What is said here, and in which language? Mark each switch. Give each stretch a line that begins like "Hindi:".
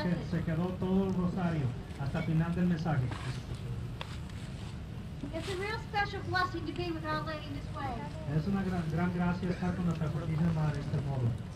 Spanish: Se quedó todo el rosario hasta el final del mensaje.
English: It's a real special blessing to be with Our Lady in this way.
Spanish: Es una gran gracia estar con nuestra Santísima Madre de este modo.